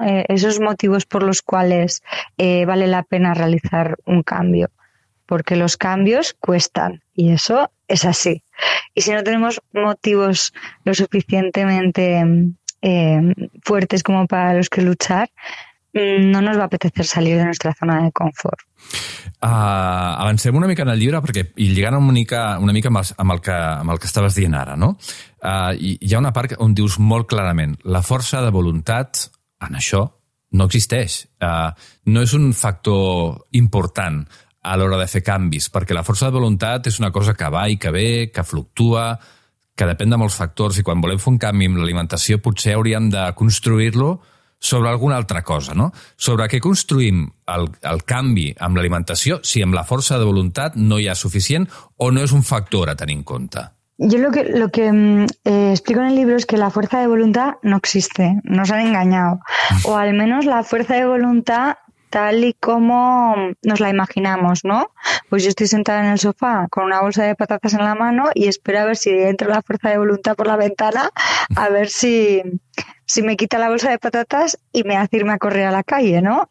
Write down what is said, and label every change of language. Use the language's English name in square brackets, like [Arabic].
[Spanish] Esos motivos por los cuales vale la pena realizar un cambio, porque los cambios cuestan y eso es así. Y si no tenemos motivos lo suficientemente fuertes como para los que luchar, no nos va a apetecer salir de nuestra zona de confort. [Catalan] Avancem una mica en el llibre perquè i lligant una mica amb el que estaves dient ara, no? Hi ha una part on dius molt clarament la força de voluntat en això no existeix. No és un factor important a l'hora de fer canvis, perquè la força de voluntat és una cosa que va i que ve, que fluctua, que depèn de molts factors, i quan volem fer un canvi en l'alimentació potser hauríem de construir-lo sobre alguna altra cosa, no? Sobre què construïm el canvi amb l'alimentació, si amb la força de voluntat no hi ha suficient o no és un factor a tenir en compte. [Spanish] Yo lo que explico en el libro es que la fuerza de voluntad no existe, nos han engañado. O al menos la fuerza de voluntad tal y como nos la imaginamos, ¿no? Pues yo estoy sentada en el sofá con una bolsa de patatas en la mano y espero a ver si entra la fuerza de voluntad por la ventana, a ver si me quita la bolsa de patatas y me hace irme a correr a la calle, ¿no?